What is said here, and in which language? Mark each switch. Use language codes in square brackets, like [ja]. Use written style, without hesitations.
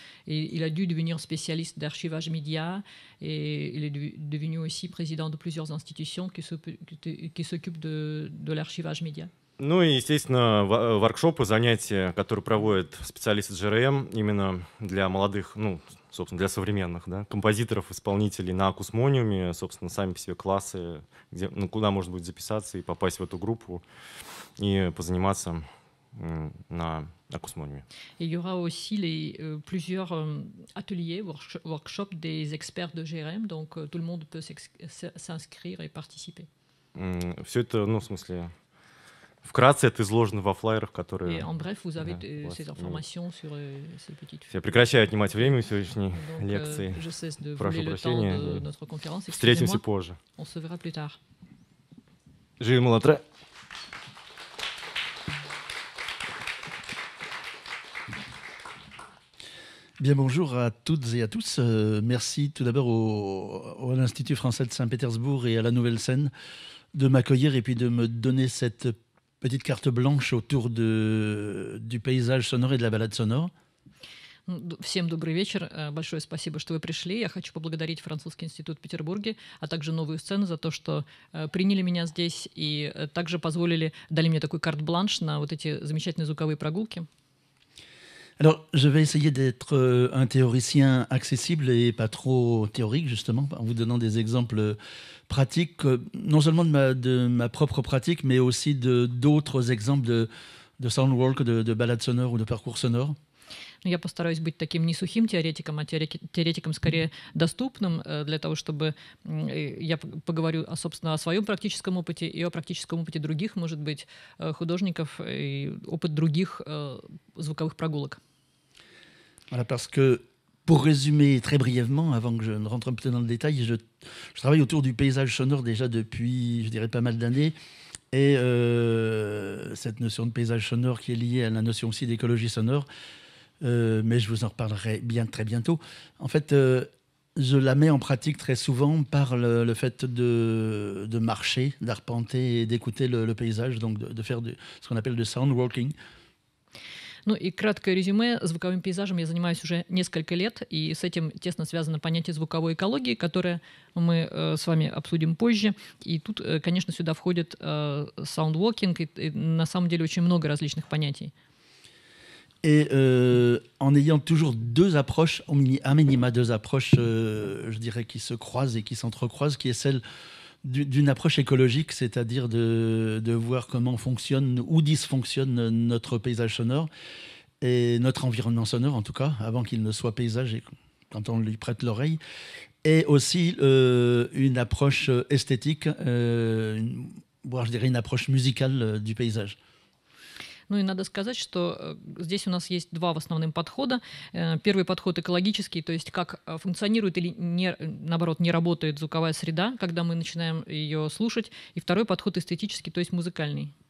[fr] Et il a dû devenir spécialiste d'archivage média. Et il est devenu aussi président de plusieurs institutions qui s'occupent de l'archivage média. [ru] Ну и, естественно, воркшопы, занятия, которые проводят специалисты JRM именно для молодых, ну, собственно, для современных, да, композиторов, исполнителей на Акусмониуме, собственно, сами по себе классы, где, ну, куда можно будет записаться и попасть в эту группу и позаниматься на Акусмониуме. [fr] Il y aura aussi les plusieurs ateliers, workshops des experts de JRM, donc tout le monde peut s'inscrire et participer. [ru] Все это, ну, в смысле... Вкратце это изложено во флайерах, которые... [fr] И, en bref, vous avez ces informations sur ces petites... [ru] Я прекращаю отнимать время у сегодняшней лекции. [fr] Je cesse de vous donner le temps de notre conférence. [ru] Встретимся позже. [fr] On se verra plus tard. [ru] Жиль Малатре. [fr] Bien, bonjour à toutes et à tous. Merci tout d'abord à l'Institut français de Saint-Pétersbourg et à la Nouvelle Scène de m'accueillir et puis de me donner cette... Petite carte blanche autour du paysage sonore et de la balade sonore. [ru] Всем добрый вечер. Большое спасибо, что вы пришли. Я хочу поблагодарить Французский институт в Петербурге, а также Новую сцену за то, что приняли меня здесь и также позволили, дали мне такой карт-бланш на вот эти замечательные звуковые прогулки. [fr] Alors, je vais essayer d'être un théoricien accessible et pas trop théorique, justement, en vous donnant des exemples pratiques, non seulement de ma propre pratique, mais aussi d'autres exemples de soundwalk, de balade sonore ou de parcours sonore. [ru] Я постараюсь быть таким не сухим теоретиком, а теоретиком скорее доступным для того, чтобы я поговорю, собственно, о своем практическом опыте и о практическом опыте других, может быть, художников и опыт других звуковых прогулок. [fr] Voilà, parce que pour résumer très brièvement, avant que je ne rentre un peu dans le détail, je travaille autour du paysage sonore déjà depuis, je dirais, pas mal d'années. Et cette notion de paysage sonore qui est liée à la notion aussi d'écologie sonore, mais je vous en reparlerai bien très bientôt. En fait, je la mets en pratique très souvent par le fait de marcher, d'arpenter et d'écouter le paysage, donc de faire ce qu'on appelle du sound walking. [ru] Ну и краткое резюме. Звуковым пейзажем я занимаюсь уже несколько лет, и с этим тесно связано понятие звуковой экологии, которое мы с вами обсудим позже. И тут, конечно, сюда входит саундвокинг, и на самом деле очень много различных понятий. [fr] Et en ayant toujours deux approches, je dirais, qui se croisent et qui s'entrecroisent, qui est celle d'une approche écologique, c'est-à-dire de voir comment fonctionne ou dysfonctionne notre paysage sonore et notre environnement sonore, en tout cas, avant qu'il ne soit paysage et quand on lui prête l'oreille, et aussi une approche esthétique, voire je dirais une approche musicale du paysage. [ru] Ну и надо сказать, что здесь у нас есть два в основном подхода. Первый подход экологический, то есть как функционирует или не, наоборот не работает звуковая среда, когда мы начинаем ее слушать. И второй подход эстетический, то есть музыкальный.